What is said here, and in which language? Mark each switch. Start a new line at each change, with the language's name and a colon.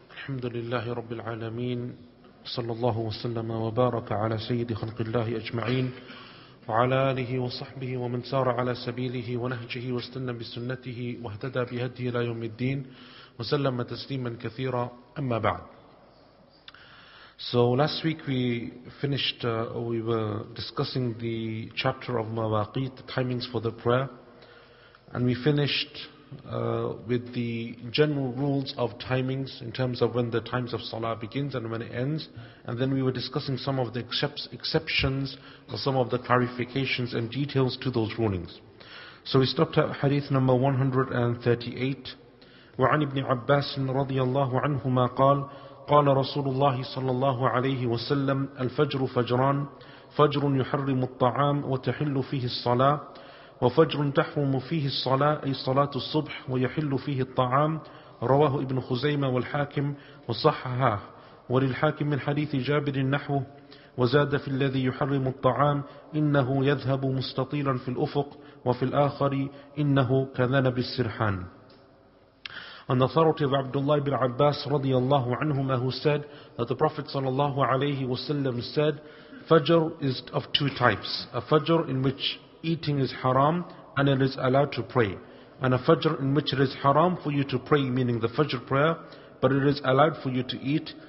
Arabic: الحمد لله رب العالمين، صلى الله وسلم وبارك على سيد خلق الله أجمعين وعلى آله وصحبه ومن سار على سبيله ونهجه واستنى بسنته واهتدى بهديه إلى يوم الدين وسلم تسليما كثيرا، أما بعد.
English: So last week we finished, we were discussing the chapter of Mawaqit, the timings for the prayer, and we finished with the general rules of timings in terms of when the times of Salah begins and when it ends. And then we were discussing some of the exceptions or some of the clarifications and details to those rulings. So we stopped at hadith number 138.
Arabic: وعن ابن عباس رضي الله عنهما قال قال رسول الله صلى الله عليه وسلم الفجر فجران، فجر يحرم الطعام وتحل فيه الصلاة، وفجر تحرم فيه الصلاة أي صلاة الصبح ويحل فيه الطعام. رواه ابن خزيمة والحاكم وصححه، وللحاكم من حديث جابر نحوه، وزاد في الذي يحرم الطعام إنه يذهب مستطيلا في الأفق، وفي الآخر إنه كذنب السرحان.
English: On the authority of Abdullah ibn Abbas
Arabic: رضي الله عنهما,
English: who said that the Prophet
Arabic: صلى الله عليه وسلم
English: said Fajr is of two types: a Fajr in which eating is haram and it is allowed to pray, and a fajr in which it is haram for you to pray, meaning the fajr prayer, but it is allowed for you to eat.